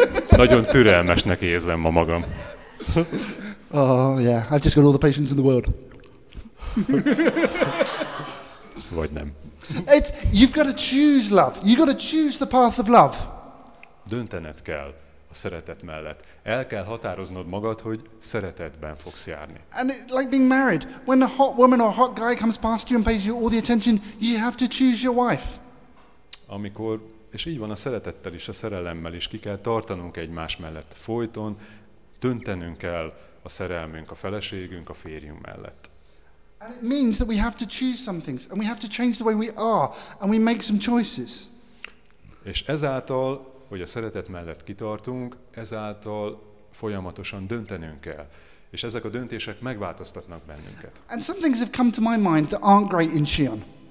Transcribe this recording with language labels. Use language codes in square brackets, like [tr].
[hu] Nagyon türelmesnek érzem ma magam. [en] Oh yeah, I've just got all the patience in the world. [hu] Vagy nem. [en] You've got to choose love. You've got to choose the path of love. [hu] Döntened kell a szeretet mellett. El kell határoznod magad, hogy szeretetben fogsz járni. [en] And it, like being married, when a hot woman or a hot guy comes past you and pays you all the attention, you have to choose your wife. [hu] Amikor, és így van a szeretettel is, a szerelemmel is, ki kell tartanunk egymás mellett folyton, döntenünk kell a szerelmünk, a feleségünk, a férjünk mellett. [en] And it means that we have to choose some things, and we have to change the way we are, and we make some choices. [hu] És ezáltal, hogy a szeretet mellett kitartunk, ezáltal folyamatosan döntenünk kell. És ezek a döntések megváltoztatnak bennünket. [en] And some things have come to my mind that aren't great in Sion.